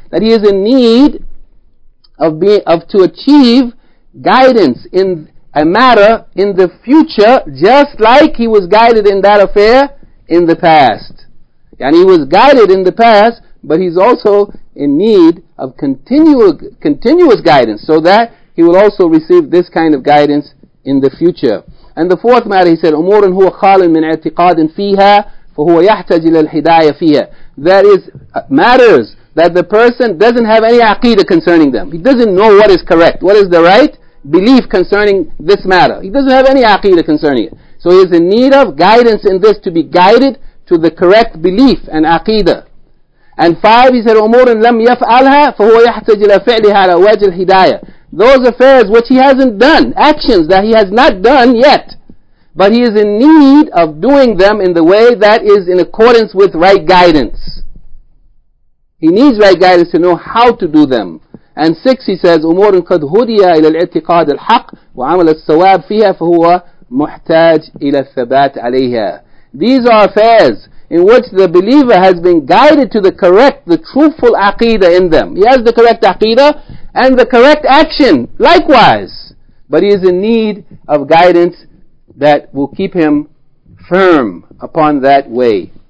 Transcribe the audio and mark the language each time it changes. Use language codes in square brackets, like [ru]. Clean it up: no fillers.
[en] That he is in need of to achieve guidance in a matter in the future, just like he was guided in that affair in the past. And he was guided in the past, but he's also in need of continuous guidance, so that he will also receive this kind of guidance in the future. And the fourth matter, he said, [ar] أُمُورٌ هُوَ خَالٍ مِنْ اَعْتِقَادٍ فِيهَا فَهُوَ يَحْتَجِ لِلْحِدَايَةِ فِيهَا. [en] That is matters that the person doesn't have any aqidah concerning them. He doesn't know what is correct, what is the right belief concerning this matter. He doesn't have any aqidah concerning it. So he is in need of guidance in this, to be guided to the correct belief and aqidah. And five, he said, [ar] أُمُورٍ لَمْ يَفْعَلْهَا فَهُوَ يَحْتَجِ لَفِعْلِهَا عَلَى وَجْهِ الْهِدَايَةِ. [en] Those affairs which he hasn't done, actions that he has not done yet, but he is in need of doing them in the way that is in accordance with right guidance. He needs right guidance to know how to do them. And six, he says, [ar] أُمُورٍ قَدْ هُدِيَ إِلَى الْإِعْتِقَادِ الْحَقِّ وَعَمَلَ الصَّوَابِ فِيهَا فَهُوَ مُحْتَاجِ إِلَى الثَّبَاتِ عَلَيْهَا. [en] These are affairs in which the believer has been guided to the correct, the truthful aqeedah in them. He has the correct aqeedah and the correct action likewise. But he is in need of guidance that will keep him firm upon that way.